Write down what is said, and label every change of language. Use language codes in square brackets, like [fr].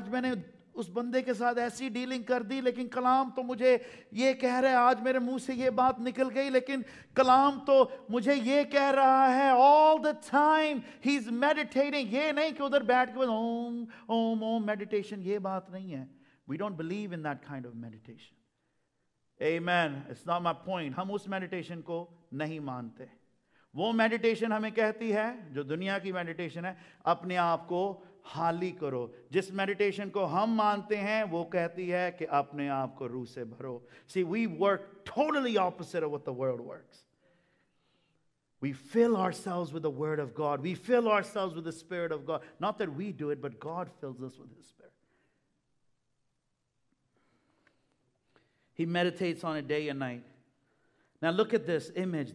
[hi] Aaj maine उस बंदे के साथ ऐसी डीलिंग कर दी लेकिन कलाम तो मुझे ये कह रहा है आज मेरे मुंह से ये बात निकल गई लेकिन कलाम तो मुझे ये कह रहा है. [en] All the time he's meditating. [hi] ये नहीं कि उधर बैठ के ओम ओम ओम meditation ये बात नहीं है. [en] We don't believe in that kind of meditation. Amen. It's not my point. [hi] हम उस meditation को नहीं मानते. वो meditation हमें कहती है जो दुनिया की meditation है अपने आप को हाली करो. जिस मेडिटेशन को हम मानते हैं वो कहती है कि अपने आप को रूह से भरो. [en] See, we work totally opposite of what the world works. We fill ourselves with the word of God. We fill ourselves with the spirit of God. Not that we do it, but God fills us with his spirit. He meditates on it day and night. Now look at this image.